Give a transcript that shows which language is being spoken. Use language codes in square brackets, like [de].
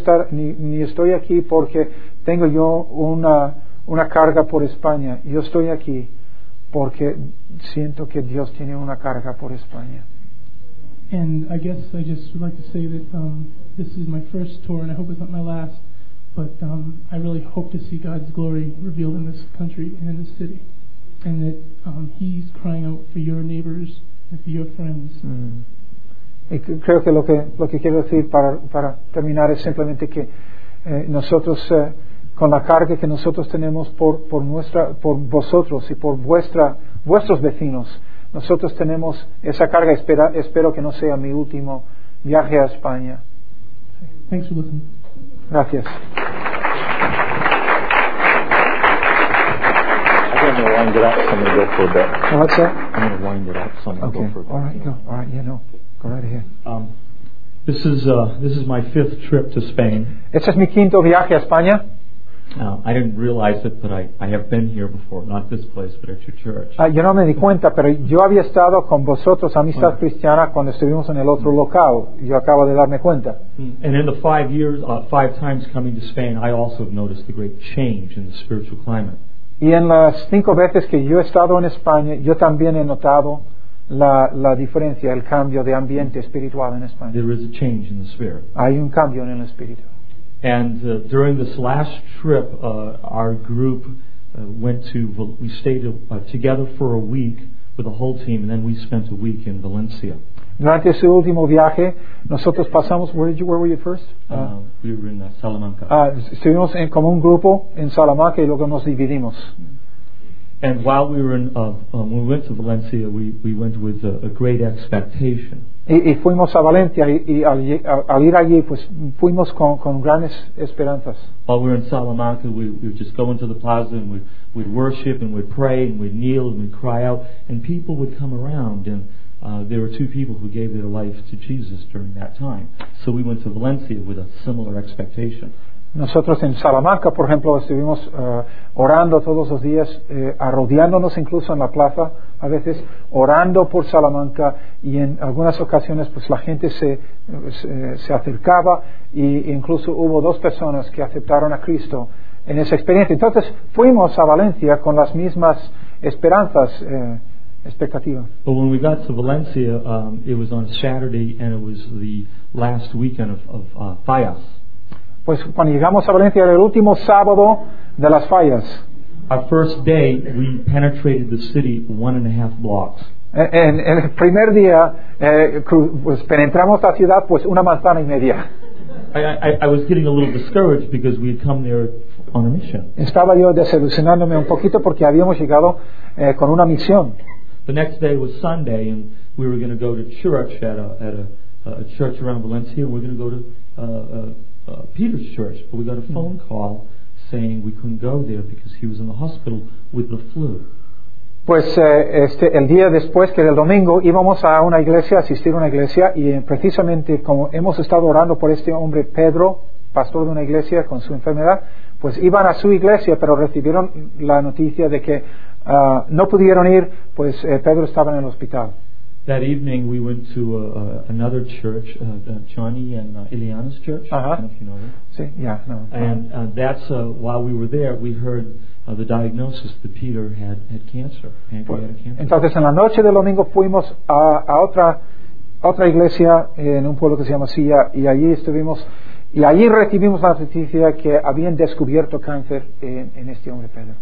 [es] Ni estoy aquí porque tengo yo una carga por España. Yo estoy aquí porque siento que Dios tiene una carga por España. [en] And I guess I just would like to say that this is my first tour, and I hope it's not my last, but I really hope to see God's glory revealed in this country and in this city, and that He's crying out for your neighbors and for your friends. [es] Y creo que lo que quiero decir para terminar es simplemente que nosotros con la carga que nosotros tenemos por vosotros y por vuestros vecinos, nosotros tenemos esa carga. Espero que no sea mi último viaje a España. [en] Thanks for listening. [es] Gracias. [en] I'm going to wind it up, so I'm going to go for a bit. What's that? I'm going to wind it up, so I'm going to go for a bit. All right, go. All right, yeah, no. Go right ahead. This is my fifth trip to Spain. [es] Este es mi quinto viaje a España. [en] I didn't realize it, but I have been here before, not this place, but at your church. [es] Yo no me di cuenta, pero yo había estado con vosotros, Amistad bueno. Cristiana, cuando estuvimos en el otro local. Yo acabo de darme cuenta. [en] And in the 5 years, five times coming to Spain, I also have noticed a great change in the spiritual climate. [es] Y en las cinco veces que yo he estado en España, yo también he notado la diferencia, el cambio de ambiente espiritual en España. [en] There is a change in the spirit. [es] Hay un cambio en el espíritu. [en] And during this last trip, our group we stayed together for a week with the whole team, and then we spent a week in Valencia. [es] Durante ese último viaje, nosotros pasamos. [en] Where were you first? We were in Salamanca. [es] Estuvimos en como un grupo en Salamanca y luego nos dividimos. [en] And while we were in, when we went to Valencia, we went with a great expectation. [es] Y fuimos a Valencia y al ir allí, pues fuimos con grandes esperanzas. [en] While we were in Salamanca, we would just go into the plaza and we'd worship and we'd pray and we'd kneel and we'd cry out, and people would come around and. There were two people who gave their life to Jesus during that time. So we went to Valencia with a similar expectation. [es] Nosotros en Salamanca, por ejemplo, estuvimos orando todos los días, arrodillándonos incluso en la plaza, a veces orando por Salamanca, y en algunas ocasiones pues la gente se acercaba y incluso hubo dos personas que aceptaron a Cristo en esa experiencia. Entonces fuimos a Valencia con las mismas esperanzas. [en] But when we got to Valencia, it was on Saturday, and it was the last weekend of fallas. [es] Pues cuando llegamos a Valencia era el último sábado de las fallas. [en] Our first day, we penetrated the city 1.5 blocks. [es] En el primer día, pues penetramos la ciudad pues una manzana y media. [en] I was getting a little discouraged because we had come there on a mission. [es] Estaba yo desilusionándome un poquito porque habíamos llegado con una misión. [en] The next day was Sunday, and we were going to go to church at a church around Valencia. We're going to go to Peter's church, but we got a phone call saying we couldn't go there because he was in the hospital with the flu. [es] Pues el día después, que era el domingo, íbamos a una iglesia, a asistir a una iglesia, y precisamente como hemos estado orando por este hombre Pedro, pastor de una iglesia con su enfermedad, pues iban a su iglesia, pero recibieron la noticia de que no pudieron ir, pues Pedro estaba en el hospital. [en] That evening we went to another church, Johnny and Ileana's church. Uh-huh. I don't know if you know them. [es] Sí, yeah, no. [en] And that's while we were there, we heard the diagnosis that Peter had cancer, pancreatic cancer. [es] Entonces en la noche del domingo fuimos a otra iglesia en un pueblo que se llama Silla, y allí estuvimos. Y allí recibimos la noticia que habían descubierto cáncer en este hombre Pedro.